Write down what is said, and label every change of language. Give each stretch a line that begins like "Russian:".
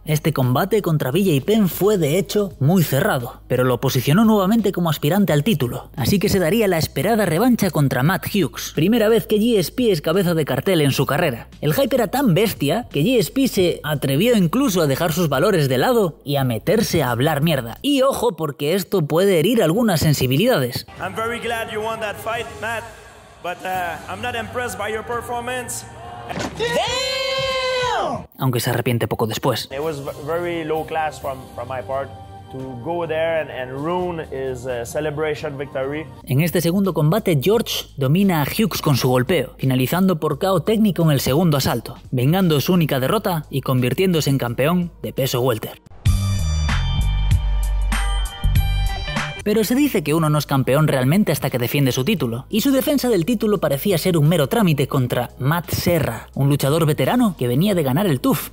Spanish: Este combate contra BJ Penn fue de hecho muy cerrado, pero lo posicionó nuevamente como aspirante al título, así que se daría la esperada revancha contra Matt Hughes, primera vez que GSP es cabeza de cartel en su carrera. El hype era tan bestia que GSP se atrevió incluso a dejar sus valores de lado y a meterse a hablar mierda. Y ojo, porque esto puede herir algunas sensibilidades.
English: I'm very glad you won that fight, Matt, but I'm not impressed by your performance.
Spanish: Aunque se arrepiente poco después.
English: It was very low class from my part to go there and ruin his celebration victory.
Spanish: En este segundo combate, George domina a Hughes con su golpeo, finalizando por KO técnico en el segundo asalto, vengando su única derrota y convirtiéndose en campeón de peso welter. Pero se dice que uno no es campeón realmente hasta que defiende su título, y su defensa del título parecía ser un mero trámite contra Matt Serra, un luchador veterano que venía de ganar el TUF.